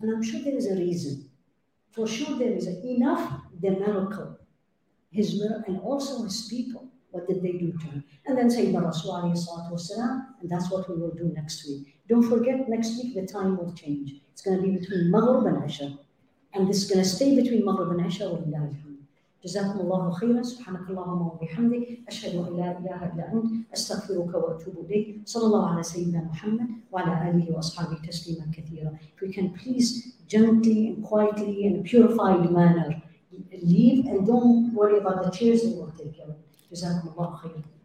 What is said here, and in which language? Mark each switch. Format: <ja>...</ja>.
<en>And I'm sure there is a reason. For sure there is enough, the miracle. His miracle, and also his people. What did they do to him? And then Sayyidina Rasulullah alayhi salatu wasalam, and that's what we will do next week. Don't forget, next week the time will change. It's going to be between Maghrib and Isha. And this is going to stay between Maghrib and Isha.</en> <ar>جزاكم الله خيرا سبحانك اللهم وبحمدك أشهد أن لا إله إلا أنت أستغفرك وأتوب إليك صلى الله على سيدنا محمد وعلى آله وأصحابه تسليما كثيرا.</ar> <en>If we can please gently and quietly in a purified manner leave and don't worry about the chairs that will take care of.</en> <ar>جزاكم الله خيرا.</ar>